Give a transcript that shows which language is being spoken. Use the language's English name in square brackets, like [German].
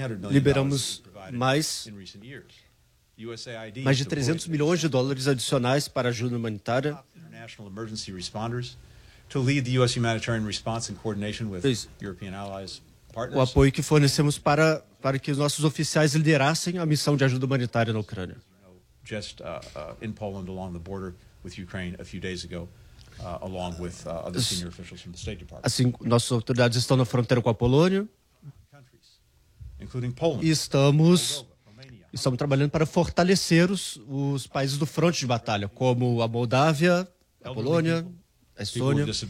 [Portuguese] Liberamos mais de $300 milhões adicionais para ajuda humanitária. [English] National emergency responders to lead the U.S. humanitarian response in coordination with European allies, partners. [Portuguese] O apoio que fornecemos para que os nossos oficiais liderassem a missão de ajuda humanitária na Ucrânia. [English] Just in Poland, along the border with Ukraine, a few days ago, along with other senior officials from the State Department. [Portuguese] Assim, nossas autoridades estão na fronteira com a Polônia. [English] Including Poland. [Portuguese] E estamos estamos trabalhando para fortalecer os países do fronte de batalha, como a Moldávia, a Polônia, a Estônia.